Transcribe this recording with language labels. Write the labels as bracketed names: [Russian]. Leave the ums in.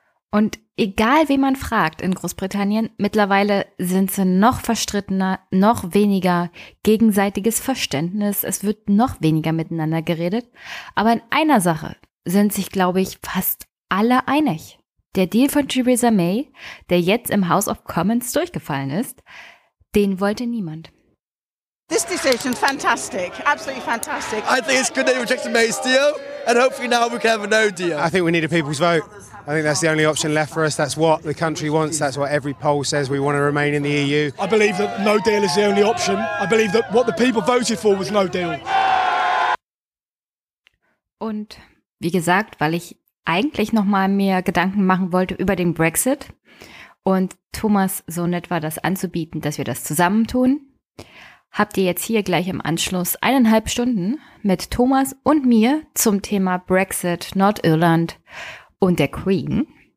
[German] Und egal, wen man fragt in Großbritannien, mittlerweile sind sie noch verstrittener, noch weniger gegenseitiges Verständnis, es wird noch weniger miteinander geredet. Aber in einer Sache sind sich, glaube ich, fast alle einig. Der Deal von Theresa May, der jetzt im House of Commons durchgefallen ist, den wollte niemand. [English] This decision, is fantastic, absolutely fantastic. I think it's good that he rejected May deal, and hopefully now we can have a no deal. I think we need a people's vote. I think that's the only option left for us. That's what the country wants. That's what every poll says. We want to remain in the EU. I believe that no deal is the only option. I believe that what the people voted for was no deal. [German] Und wie gesagt, weil ich eigentlich noch mal mehr Gedanken machen wollte über den Brexit und Thomas so nett war, das anzubieten, dass wir das zusammentun. tun. habt ihr jetzt hier gleich im Anschluss eineinhalb Stunden mit Thomas und mir zum Thema Brexit, Nordirland und der Queen.